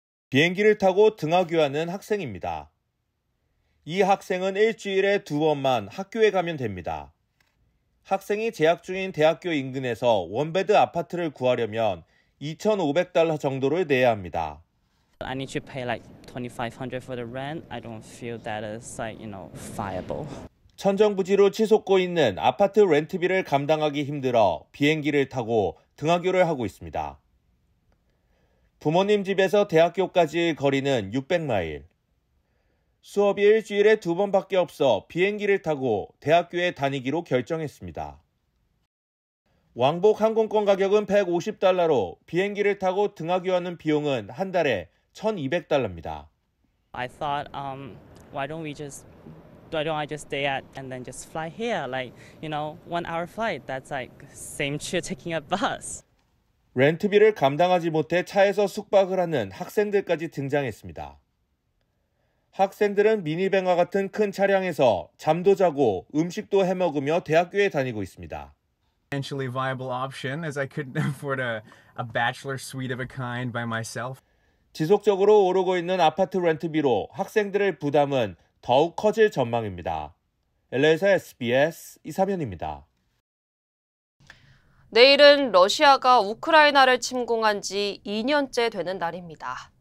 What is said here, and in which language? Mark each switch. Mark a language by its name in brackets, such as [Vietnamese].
[Korean] 비행기를 타고 등하교하는 학생입니다. 이 학생은 일주일에 두 번만 학교에 가면 됩니다. 학생이 재학 중인 대학교 인근에서 원베드 아파트를 구하려면 $2,500 정도를 내야 합니다. [English] I need to pay like $2,500 for the rent. I don't feel that is like, you know, viable. [Korean] 천정부지로 치솟고 있는 아파트 렌트비를 감당하기 힘들어 비행기를 타고 등하교를 하고 있습니다. 부모님 집에서 대학교까지 거리는 600마일. 수업이 일주일에 두 번밖에 없어 비행기를 타고 대학교에 다니기로 결정했습니다. 왕복 항공권 가격은 $150로 비행기를 타고 등하교하는 비용은 한 달에 $1,200입니다. [English] I thought, why don't I just stay and then just fly here? Like, you know, one hour flight. That's like same to taking a bus. [Korean] 렌트비를 감당하지 못해 차에서 숙박을 하는 학생들까지 등장했습니다. 학생들은 미니밴과 같은 큰 차량에서 잠도 자고 음식도 해먹으며 대학교에 다니고 있습니다. [English] Potentially viable option as I couldn't afford a bachelor suite of a kind by myself. [Korean] 지속적으로 오르고 있는 아파트 렌트비로 학생들의 부담은 더욱 커질 전망입니다. LA에서 SBS 이사면입니다. 내일은 러시아가 우크라이나를 침공한 지 2년째 되는 날입니다.